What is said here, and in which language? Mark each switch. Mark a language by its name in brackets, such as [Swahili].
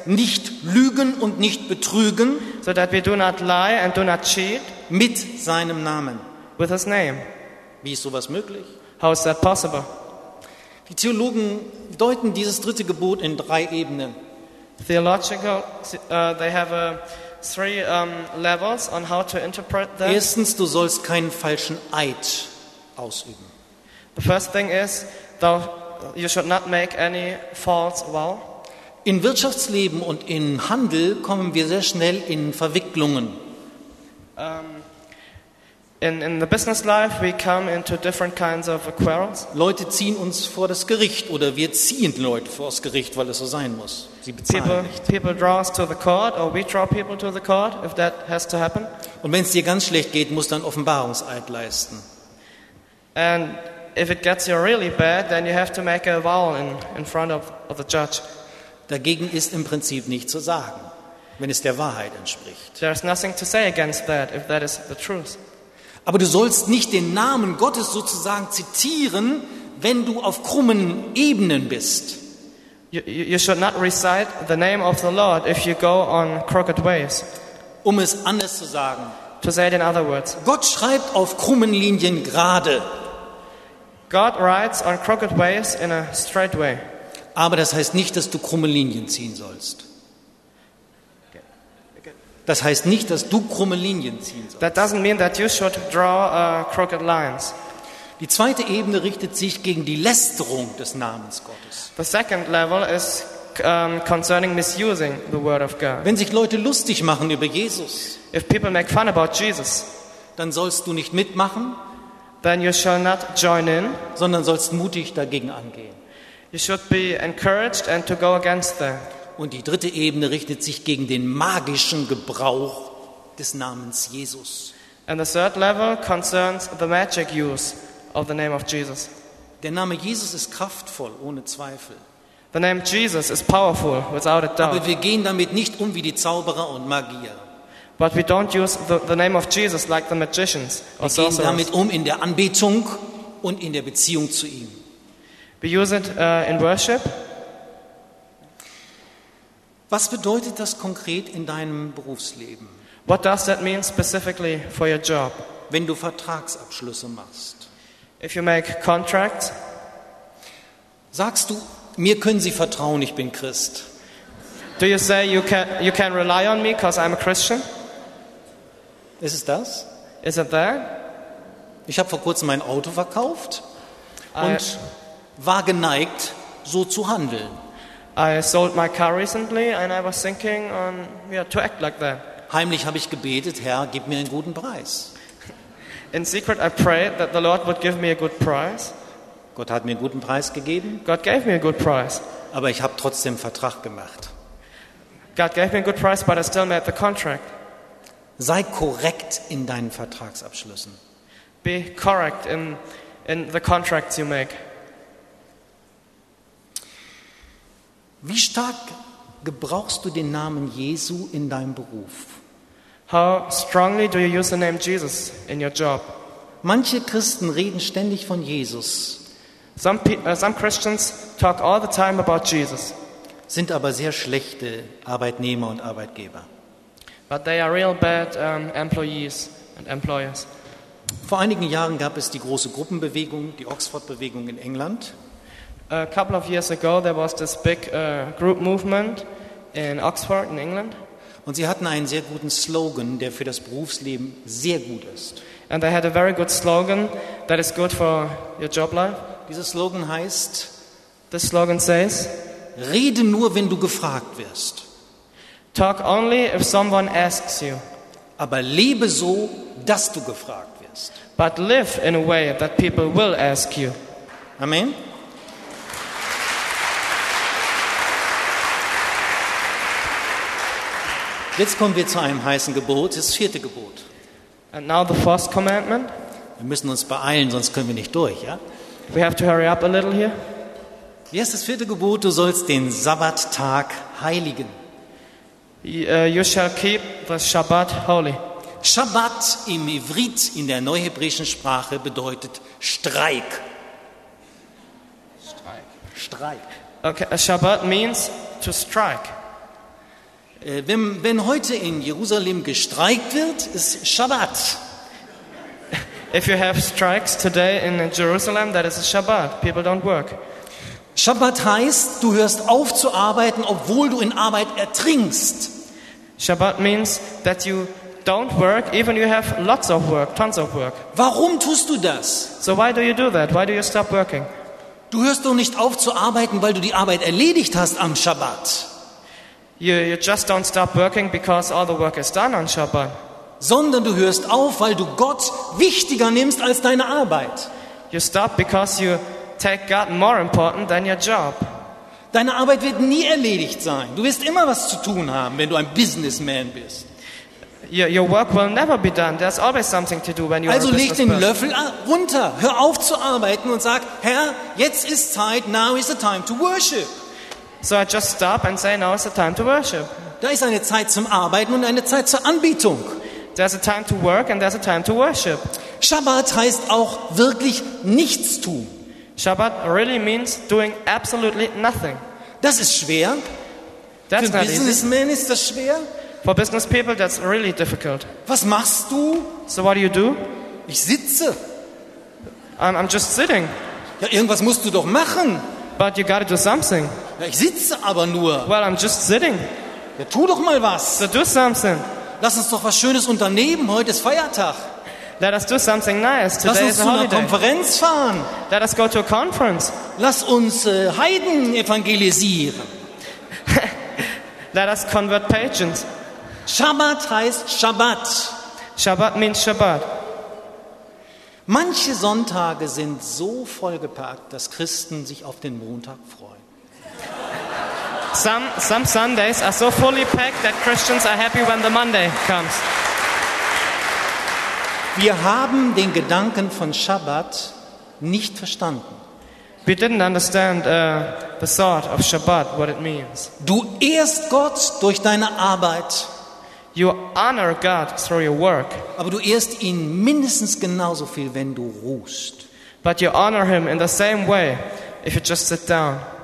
[German] Nicht lügen und nicht betrügen. [English] So that we do not lie and do not cheat. [German] Mit seinem Namen. [English] With his name. [German] Wie ist sowas möglich? [English] How is that possible? [German] Die Theologen deuten dieses dritte Gebot in drei Ebenen. [English] Theological, they have three levels on how to interpret that. [German] Erstens, du sollst keinen falschen Eid ausüben. [English] The first thing is, you should not make any false vow. [German] In Wirtschaftsleben und in Handel kommen wir sehr schnell in Verwicklungen. [English] In the business life we come into different kinds of quarrels. [German] Leute ziehen uns vor das Gericht oder wir ziehen Leute vor das Gericht, weil es so sein muss. Sie bezahlen nicht. [English] People draw us to the court or we draw people to the court if that has to happen. [German] Und wenn es dir ganz schlecht geht, musst du einen Offenbarungseid leisten. [English] And if it gets you really bad, then you have to make a vow in front of the judge. [German] Dagegen ist im Prinzip nichts zu sagen, wenn es der Wahrheit entspricht. [English] There is nothing to say against that if that is the truth. [German] Aber du sollst nicht den Namen Gottes sozusagen zitieren, wenn du auf krummen Ebenen bist. [English] You should not recite the name of the Lord if you go on crooked ways. [German] Um es anders zu sagen. [English] To say it in other words. [German] Gott schreibt auf krummen Linien gerade. [English] God writes on crooked ways in a straight way. [German] Aber das heißt nicht, dass du krumme Linien ziehen sollst. Das heißt nicht, dass du krumme Linien ziehen sollst. [English] That doesn't mean that you should draw crooked lines. [German] Die zweite Ebene richtet sich gegen die Lästerung des Namens Gottes. [English] The second level is concerning misusing the word of God. [German] Wenn sich Leute lustig machen über Jesus, [English] if people make fun about Jesus, [German] dann sollst du nicht mitmachen, [English] then you shall not join in, [German] sondern sollst mutig dagegen angehen. [English] You should be encouraged and to go against them. [German] Und die dritte Ebene richtet sich gegen den magischen Gebrauch des Namens Jesus. [English] And the third level concerns the magic use of the name of Jesus. [German] Der Name Jesus ist kraftvoll, ohne Zweifel. [English] The name Jesus is powerful, without a doubt. [German] Aber wir gehen damit nicht um wie die Zauberer und Magier. [English] But we don't use the name of Jesus like the magicians or sorcerers. [German] Wir gehen damit um in der Anbetung und in der Beziehung zu ihm. [English] We use it in worship. [German] Was bedeutet das konkret in deinem Berufsleben? [English] What does that mean specifically for your job? [German] Wenn du Vertragsabschlüsse machst. [English] If you make contracts. [German] Sagst du, mir können Sie vertrauen, ich bin Christ. [English] Do you say you can rely on me because I'm a Christian? [German] Ist es das? [English] Is it that? [German] Ich habe vor kurzem mein Auto verkauft und war geneigt, so zu handeln. [English] I sold my car recently and I was thinking on to act like that. [German] Heimlich habe ich gebetet, Herr, gib mir einen guten Preis. [English] In secret I prayed that the Lord would give me a good price. [German] Gott hat mir einen guten Preis gegeben. [English] God gave me a good price. [German] Aber ich habe trotzdem Vertrag gemacht. [English] God gave me a good price, but I still made the contract. [German] Sei korrekt in deinen Vertragsabschlüssen. [English] Be correct in the contracts you make. [German] Wie stark gebrauchst du den Namen Jesu in deinem Beruf? [English] How strongly do you use the name Jesus in your job? [German] Manche Christen reden ständig von Jesus. [English] Some Christians talk all the time about Jesus. [German] Sind aber sehr schlechte Arbeitnehmer und Arbeitgeber. [English] But they are real bad employees and employers. [German] Vor einigen Jahren gab es die große Gruppenbewegung, die Oxford-Bewegung in England. [English] A couple of years ago there was this big group movement in Oxford in England. [German] Und sie hatten einen sehr guten Slogan, der für das Berufsleben sehr gut ist. [English] And they had a very good slogan that is good for your job life. [German] Dieser Slogan heißt, [English] the slogan says, [German] rede nur, wenn du gefragt wirst. [English] Talk only if someone asks you. [German] Aber lebe so, dass du gefragt wirst. [English] But live in a way that people will ask you. [German] Amen. Jetzt kommen wir zu einem heißen Gebot, das vierte Gebot. [English] And now the fourth commandment. [German] Wir müssen uns beeilen, sonst können wir nicht durch, ja? [English] We have to hurry up a little here. [German] Hier ist das vierte Gebot, du sollst den Sabbattag heiligen. [English] You shall keep the Shabbat holy. [German] Shabbat im Ivrit in der neuhebräischen Sprache bedeutet Streik. Streik. Streik. [English] Okay, Shabbat means to strike. [German] Wenn heute in Jerusalem gestreikt wird, ist Shabbat. [English] If you have strikes today in Jerusalem, that is a Shabbat. People don't work. [German] Shabbat heißt, du hörst auf zu arbeiten, obwohl du in Arbeit ertrinkst. [English] Shabbat means that you don't work, even you have lots of work, tons of work. [German] Warum tust du das? [English] So why do you do that? Why do you stop working? [German] Du hörst doch nicht auf zu arbeiten, weil du die Arbeit erledigt hast am Shabbat. [English] You just don't stop working because all the work is done on Shabbat. [German] Sondern du hörst auf, weil du Gott wichtiger nimmst als deine Arbeit. [English] You stop because you take God more important than your job. [German] Deine Arbeit wird nie erledigt sein. Du wirst immer was zu tun haben, wenn du ein Businessman bist. [English] Your work will never be done. There's always something to do when you are a businessman. [German] Also leg den Löffel runter. Hör auf zu arbeiten und sag, Herr, jetzt ist Zeit. [English] Now is the time to worship. So I just stop and say, now is the time to worship. [German] Da ist eine Zeit zum Arbeiten und eine Zeit zur Anbetung. [English] There's a time to work and there's a time to worship. [German] Shabbat heißt auch wirklich nichts tun. [English] Shabbat really means doing absolutely nothing. [German] Das ist schwer. [English] That's [German] Für Businessmen ist das schwer. [English] For business people, that's really difficult. [German] Was machst du? [English] So what do you do? [German] Ich sitze. [English] I'm just sitting. [German] Ja, irgendwas musst du doch machen. [English] But you gotta do something. [German] Ja, ich sitze aber nur. [English] Well, I'm just sitting. [German] Ja, tu doch mal was. [English] So do something. [German] Lass uns doch was Schönes unternehmen. Heute ist Feiertag. [English] Let us do something nice. Today [German] Lass uns [English] is a holiday. [German] Zu einer Konferenz fahren. [English] Let us go to a conference. [German] Lass uns Heiden evangelisieren. [English] Let us convert pagans. [German] Shabbat heißt Shabbat. [English] Shabbat means Shabbat. [German] Manche Sonntage sind so vollgepackt, dass Christen sich auf den Montag freuen. [English] Some Sundays are so fully packed that Christians are happy when the Monday comes. [German] Wir haben den Gedanken von Shabbat nicht verstanden. [English] We didn't understand the thought of Shabbat, what it means. [German] Du ehrst Gott durch deine Arbeit. [English] You honor God through your work. [German] Aber du ehrst ihn mindestens genauso viel, wenn du ruhst. [English] But you honor him in the same way if you just sit down.